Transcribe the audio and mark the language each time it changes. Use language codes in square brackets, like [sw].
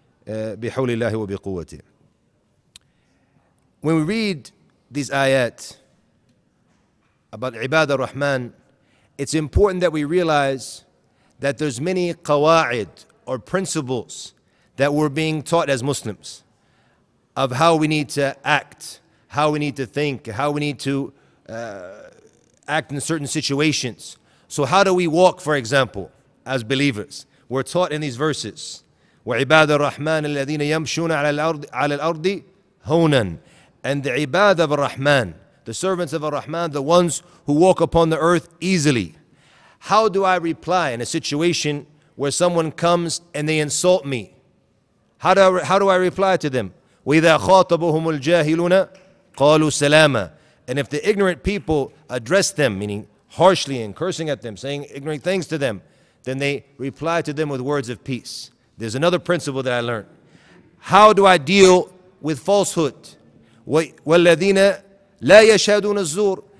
[ar] Bihawlillahi wa biquwwati. [en] When we read these ayat about Ibad al-Rahman, it's important that we realize that there's many qawa'id or principles that we're being taught as Muslims of how we need to act, how we need to think, how we need to act in certain situations. So how do we walk, for example, as believers? We're taught in these verses, [ar] وعباد الرحمن الذين يمشون على الأرض هونا. [en] And the ibad of Ar-Rahman, the servants of Ar-Rahman, the ones who walk upon the earth easily. How do I reply in a situation where someone comes and they insult me? How do I reply to them? [ar] وإذا خاطبهم الجاهلون قالوا سلاما. [en] And if the ignorant people address them, meaning harshly and cursing at them, saying ignorant things to them, then they reply to them with words of peace. There's another principle that I learned. How do I deal with falsehood? [ar] وَالَّذِينَ لَا يَشْهَدُونَ الزُّورِ.